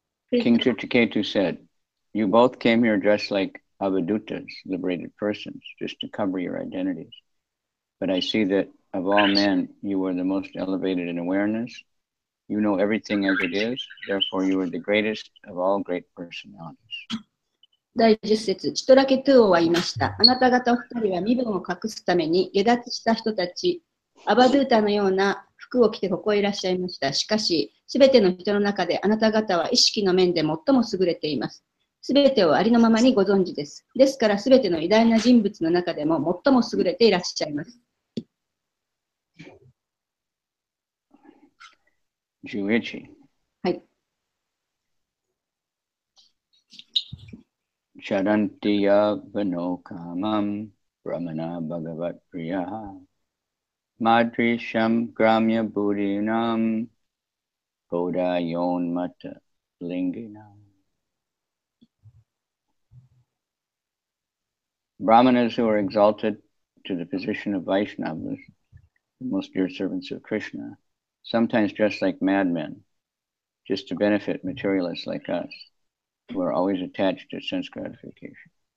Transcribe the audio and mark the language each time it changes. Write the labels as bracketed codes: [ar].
[en] King Chuchiketu said, you both came here dressed like Avadutas, liberated persons, just to cover your identities. But I see that of all men, you are the most elevated in awareness. You know everything as it is. Therefore, you are the greatest of all great personalities. [ja] 第10節、チトラケトゥオは言いました。あなた方二人は身分を隠すために下脱した人たち、アバドゥータのような服を着てここへいらっしゃいました。しかし、すべての人の中であなた方は意識の面で最も優れています。すべてをありのままにご存知です。ですから、すべての偉大な人物の中でも最も優れていらっしゃいます。 11。はい。 [sa] シャランティヤヴァノカマン、ブラマナ・バガヴァッ・プリヤハ、マドリシャム・グラミヤ・ブリュナム、ボダ・ヨン・マタ・リンギナム。 [en] Brahmanas who are exalted to the position of Vaishnavas, the most dear servants of Krishna, sometimes dress like madmen, just to benefit materialists like us, who are always attached to sense gratification.